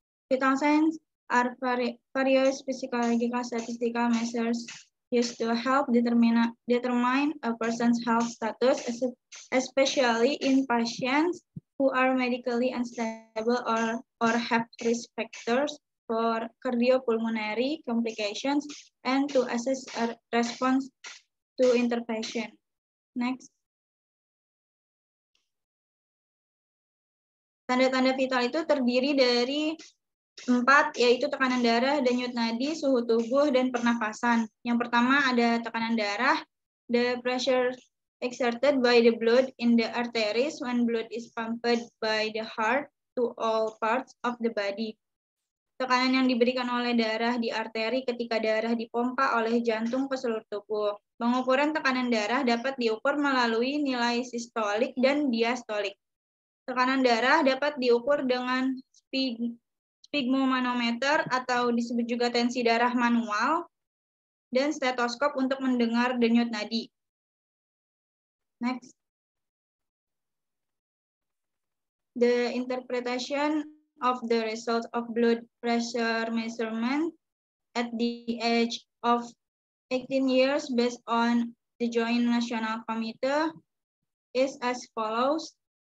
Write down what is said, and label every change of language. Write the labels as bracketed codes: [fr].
[en] Vital signs are various physiological statistical measures used to help determine a person's health status, especially in patients who are medically unstable or have risk factors for cardiopulmonary complications and to assess a response to intervention. Next. [id] Tanda-tanda vital itu terdiri dari empat, yaitu tekanan darah, denyut nadi, suhu tubuh, dan pernafasan. Yang pertama ada tekanan darah, [en] the pressure exerted by the blood in the arteries when blood is pumped by the heart to all parts of the body. [id] Tekanan yang diberikan oleh darah di arteri ketika darah dipompa oleh jantung ke seluruh tubuh. Pengukuran tekanan darah dapat diukur melalui nilai sistolik dan diastolik. Tekanan darah dapat diukur dengan sphygmomanometer atau disebut juga tensi darah manual, dan stetoskop untuk mendengar denyut nadi. [en] Next. The interpretation of the result of blood pressure measurement at the age of 18 years based on the Joint National Committee is as follows.